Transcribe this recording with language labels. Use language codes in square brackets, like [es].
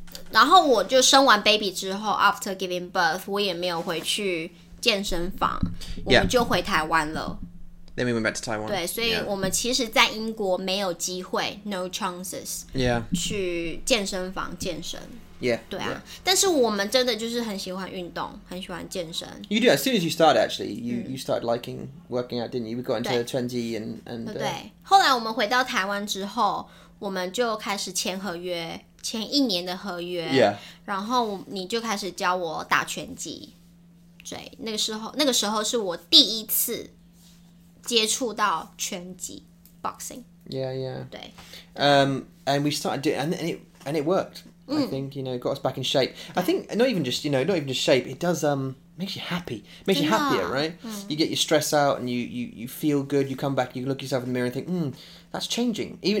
[zh] 然后我就生完 baby 之后 [en] after giving birth [zh] 我也没有回去健身房、 [en] yeah. [zh] 我们就回台湾了 [en] then we went back to Taiwan [zh] 对所以、 [en] yeah. [zh] 我们其实在英国没有机会 [en] no chances、 yeah. [zh] 去健身房健身 [en] yeah [zh] 对啊、 [en] yeah. [zh] 但是我们真的就是很喜欢运动很喜欢健身 [en] you do as soon as you start actually you started liking working out didn't you we got into 20 and [zh] 对后来我们回到台湾之后我们就开始签合约前一年的合约、 [en] yeah. [zh] 然后你就开始教我打拳击对那个时候是我第一次接触到拳击 boxing [en] yeah yeah [zh] 对、 [en] and we started doing and it worked、mm. I think you know it got us back in shape I think not even just you know not even just shape it does makes you happy makes you happier right、 mm. you get your stress out and you feel good you come back you look yourself in the mirror and think that's changing even、